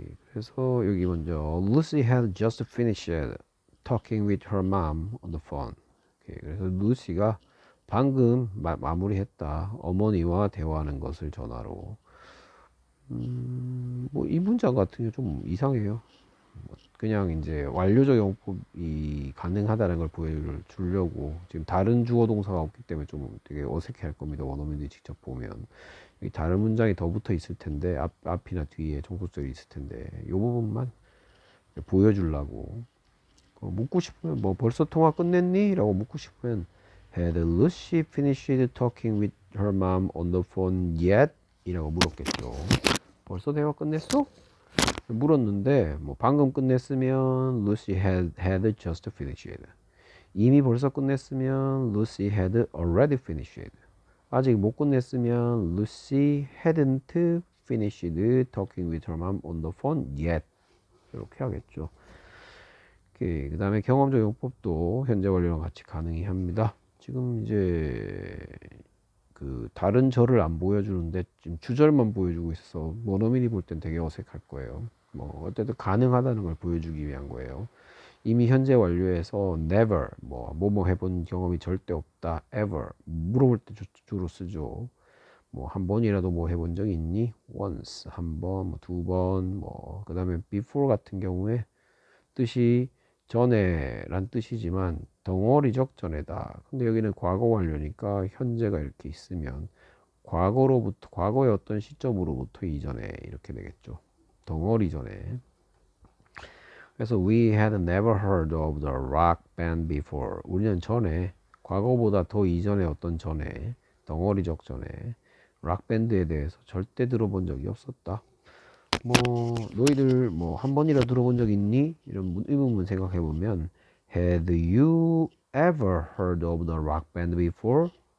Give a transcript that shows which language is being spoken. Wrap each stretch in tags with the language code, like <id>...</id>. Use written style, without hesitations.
<ko>그래서 여기 먼저</ko> <en>Lucy had just finished talking with her mom on the phone.</en> <ko>그래서 루시가 방금 마무리했다. 어머니와 대화하는 것을 전화로. 뭐이 문장 같은 게좀 이상해요. 그냥 이제 완료적 용법이 가능하다는 걸 보여주려고 지금 다른 주어 동사가 없기 때문에 좀 되게 어색해할 겁니다. 원어민들이 직접 보면 여기 다른 문장이 더 붙어 있을 텐데 앞이나 뒤에 종속절이 있을 텐데 이 부분만 보여주려고. 묻고 싶으면 뭐 벌써 통화 끝냈니? 라고 묻고 싶으면</ko> <en>Had Lucy finished talking with her mom on the phone yet?</en> <ko>이라고 물었겠죠. 벌써 대화 끝냈어? 물었는데 뭐 방금 끝냈으면</ko> <en>Lucy had just finished.</en> <ko>이미 벌써 끝냈으면</ko> <en>Lucy had already finished.</en> <ko>아직 못 끝냈으면</ko> <en>Lucy hadn't finished talking with her mom on the phone yet.</en> <ko>이렇게 하겠죠. 오케이. 그 다음에 경험적 용법도 현재 완료랑 같이 가능히 합니다. 지금 이제 그 다른 저를 안 보여주는데 지금 주절만 보여주고 있어서 원어민이 볼땐 되게 어색할 거예요. 뭐 어쨌든 가능하다는 걸 보여주기 위한 거예요. 이미 현재 완료해서 never 뭐 뭐뭐 해본 경험이 절대 없다 ever 물어볼 때 주로 쓰죠. 뭐한 번이라도 뭐 해본 적 있니? once 한 번, 뭐두번뭐그 다음에 before 같은 경우에 뜻이 전에란 뜻이지만 덩어리적 전에다. 근데 여기는 과거 완료니까 현재가 이렇게 있으면 과거로부터 과거의 어떤 시점으로부터 이전에 이렇게 되겠죠. 덩어리 전에.</ko> <en>그래서 we had never heard of the rock band before.</en> <ko>우리는 전에 과거보다 더 이전에 어떤 전에 덩어리적 전에 락 밴드에 대해서 절대 들어본 적이 없었다. 뭐 너희들 뭐한 번이라 들어본 적 있니? 이런 의문문 생각해 보면</ko> <en>Had you ever heard of the rock band before?</en>